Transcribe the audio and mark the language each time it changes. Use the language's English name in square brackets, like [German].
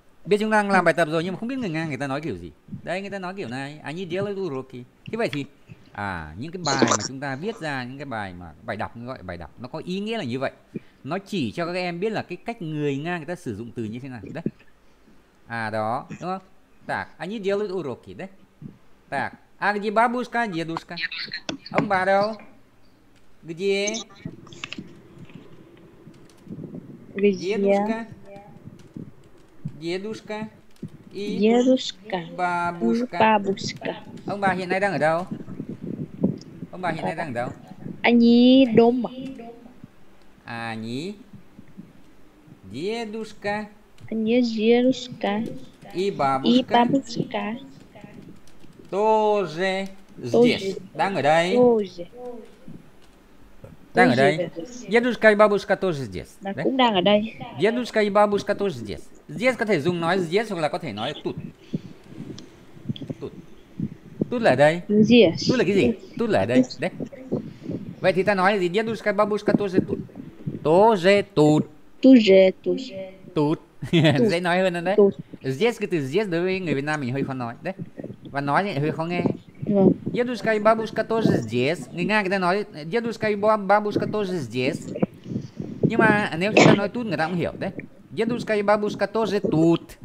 [Vietnamese] Biết chúng đang làm bài tập rồi nhưng mà không biết người ta nói kiểu gì. Đấy, người ta nói kiểu này, [Russian] они делают уроки. [Vietnamese] Thế vậy thì, những cái bài mà chúng ta viết ra, những cái bài mà bài đọc, gọi bài đọc, nó có ý nghĩa là như vậy. Nó chỉ cho các em biết là cái cách người Nga người ta sử dụng từ như thế nào đấy. À đó, đúng không? [Russian] Так, они делают уроки, да? Так, а где бабушка, дедушка? [Vietnamese] Ông bà đâu? [Russian] Где? Где? Дедушка. Дедушка. И дедушка. Бабушка. Бабушка. [Vietnamese] Ông bà hiện nay đang ở đâu? Ông bà hiện nay đang ở đâu? [Russian] Они дома. Они, дедушка, они дедушка, и бабушка, тоже здесь, да, [Vietnamese] ngồi đây, [Russian] тоже, да, [Vietnamese] ngồi đây, [Russian] дедушка и бабушка тоже здесь, да, [Vietnamese] cũng đang ở đây, [Russian] дедушка и бабушка тоже здесь, здесь [Vietnamese] có thể dùng nói [Russian] здесь [Vietnamese] hoặc là có thể nói [Russian] тут, тут, тут [Vietnamese] là đây, [Russian] здесь, тут [Vietnamese] là cái gì, тут là đây, đấy, vậy thì ta nói gì, [Russian] дедушка и бабушка тоже тут. Тоже тут. Тоже тут. Тут. [Vietnamese] Dễ nói hơn đấy. [Russian] Здесь, [Vietnamese] cái từ [Russian] здесь [Vietnamese] đối với người Việt Nam mình hơi khó nói đấy. Và nói thì hơi khó nghe. Vâng. [Russian] Дедушка и бабушка тоже здесь. [Vietnamese] Người Nga người ta nói [Russian] дедушка и бабушка тоже здесь. [Vietnamese] Nhưng mà nếu chúng ta nói [Russian] тут [Vietnamese] người ta cũng hiểu đấy. [Russian] Дедушка и бабушка тоже тут.